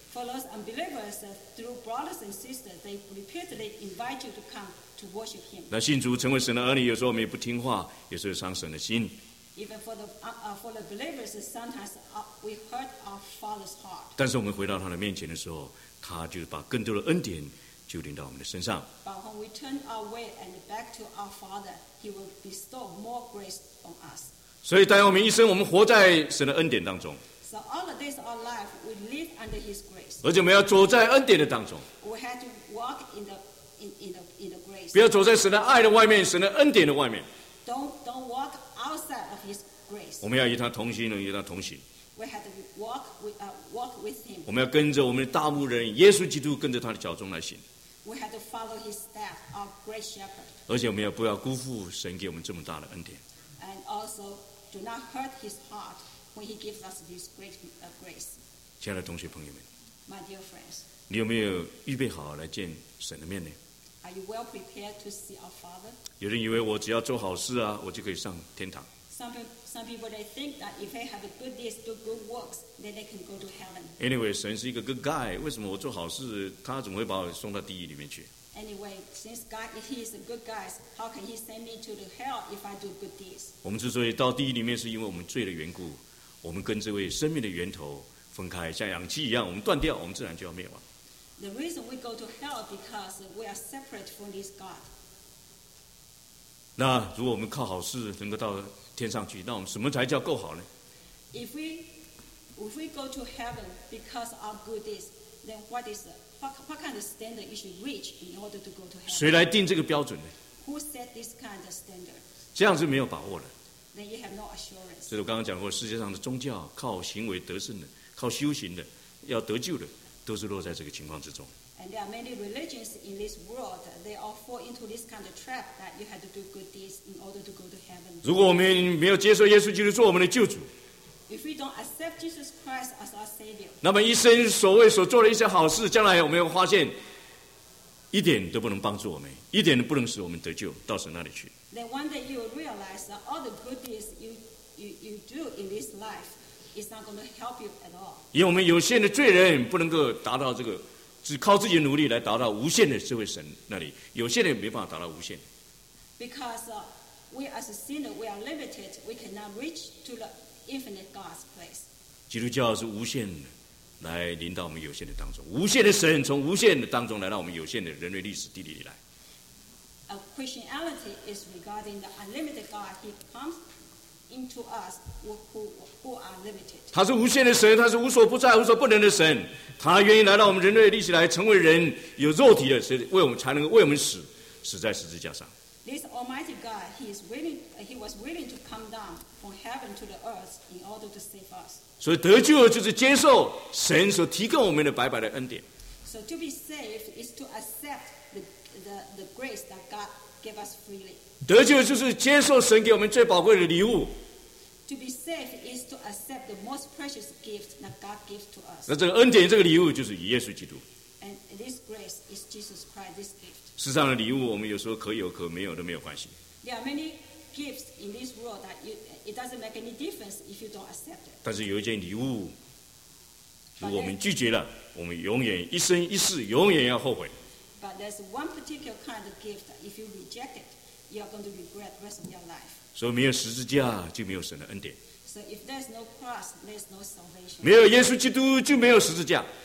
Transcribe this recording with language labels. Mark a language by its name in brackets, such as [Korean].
[English] For those unbelievers, through brothers and sisters, they repeatedly invite you to come to worship Him. [Chinese] 那信主成为神的儿女，有时候我们也不听话，有时候伤神的心。 [English] Even for the believers, sometimes we hurt our father's heart. [Chinese] 但是我们回到他的面前的时候，他就把更多的恩典就临到我们的身上。 [English] But when we turn our way and back to our Father, He will bestow more grace on us. [Chinese] 所以，当我们一生，我们活在神的恩典当中。 [English] So all of this, our life, we live under His grace. [Chinese] 而且我们要走在恩典的当中。 [English] We have to walk in the grace. [Chinese] 不要走在神的爱的外面，神的恩典的外面。 [English] Don't walk outside of His grace. [Chinese] 我们要与他同心，能与他同行。 [English] We have to walk with Him. [Chinese] 我们要跟着我们的大牧人耶稣基督，跟着他的脚中来行。 [English] We have to follow His staff, our great shepherd. [Chinese] 而且我们也不要辜负神给我们这么大的恩典。 [English] And also, do not hurt His heart. When He gives us this great grace. [Chinese] 亲爱的同学朋友们， [English] My dear friends, [Chinese] 你有没有预备好来见神的面呢？ [English] Are you well prepared to see our Father? [Chinese] 有人以为我只要做好事啊，我就可以上天堂。 [English] Some people they think that if they have a good deeds, do good works, then they can go to heaven. Anyway, [Chinese] 神是一个 [English] good guy. [Chinese] 为什么我做好事，他怎么会把我送到地狱里面去？ [English] Anyway, since God He is a good guy, how can He send me to the hell if I do good deeds? [Chinese] 我们之所以到地狱里面，是因为我们罪的缘故。我们跟这位生命的源头分开，像氧气一样，我们断掉，我们自然就要灭亡。 [English] The reason we go to hell because we are separate from this God. [Chinese] 那如果我们靠好事能够到天上去，那我们什么才叫够好呢？ [English] If we go to heaven because of good deeds, then what kind of standard you should reach in order to go to heaven? [Chinese] 谁来定这个标准呢？ [English] Who set this kind of standard? [Chinese] 这样是没有把握的。 [English] Then you have no assurance. [Chinese] 所以我刚刚讲过，世界上的宗教靠行为得胜的，靠修行的，要得救的，都是落在这个情况之中。 [English] And there are many religions in this world. They all fall into this kind of trap that you have to do good deeds in order to go to heaven. [Chinese] 如果我们没有接受耶稣基督做我们的救主， [English] If we don't accept Jesus Christ as our Savior, [Chinese] 那么一生所谓所做的一些好事，将来我们会发现一点都不能帮助我们，一点都不能使我们得救到神那里去。 [English] Then one day you will realize that all the good deeds you do in this life is not going to help you at all. [Chinese] 因为我们有限的罪人不能够达到这个，只靠自己的努力来达到无限的这位神那里，有限的也没办法达到无限。 [English] Because we as a sinner, we are limited. We cannot reach to the infinite God's place. [Chinese] 基督教是无限的，来临到我们有限的当中。无限的神从无限的当中来到我们有限的人类历史地理里来。 [English] Christianity is regarding the unlimited God. He comes into us who are limited. [Chinese] 他是无限的神，他是无所不在、无所不能的神。他愿意来到我们人类历史来成为人，有肉体的，为我们才能够为我们死在十字架上。 [English] This Almighty God, He is willing. He was willing to come down from heaven to the earth in order to save us. [Chinese] 所以得救就是接受神所提供我们的白白的恩典。 [English] So to be saved is to accept the grace that God gave us freely. [Chinese] 得救就是接受神给我们最宝贵的礼物。 [English] To be saved is to accept the most precious gift that God gives to us. [Chinese] 那这个恩典，这个礼物就是耶稣基督。 [English] And this grace is Jesus Christ, this gift. [Chinese] 世上的礼物，我们有时候可有可没有都没有关系。 [English] There are many gifts in this world that it doesn't make any difference if you don't accept it. [Chinese] 但是有一件礼物，如果我们拒绝了，我们永远一生一世永远要后悔。 [English] But there's one particular kind of gift that if you reject it, you are going to regret the rest of your life. [Chinese] 所以没有十字架就没有神的恩典。 [English] So So if there's no cross, there's no salvation. [Chinese] 没有耶稣基督就没有十字架。